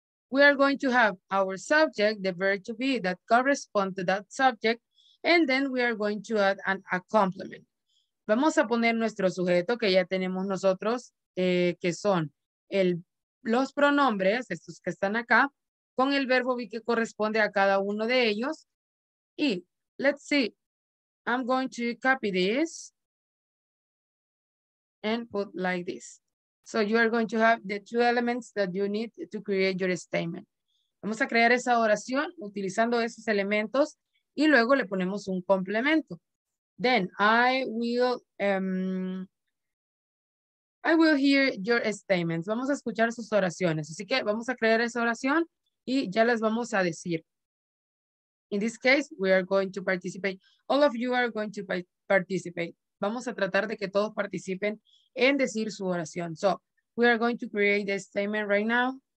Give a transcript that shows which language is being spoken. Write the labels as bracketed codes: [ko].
[en] We are going to have our subject, the verb to be, that corresponds to that subject, and then we are going to add a complement. [es] Vamos a poner nuestro sujeto que ya tenemos nosotros, que son los pronombres, estos que están acá, con el verbo be que corresponde a cada uno de ellos. Y [en] let's see, I'm going to copy this and put like this. So you are going to have the two elements that you need to create your statement. [es] Vamos a crear esa oración utilizando esos elementos y luego le ponemos un complemento. [en] Then I will hear your statements. [es] Vamos a escuchar sus oraciones. Así que vamos a crear esa oración y ya les vamos a decir. [en] In this case, we are going to participate. All of you are going to participate. [es] Vamos a tratar de que todos participen en decir su oración. [en] So, we are going to create a statement right now.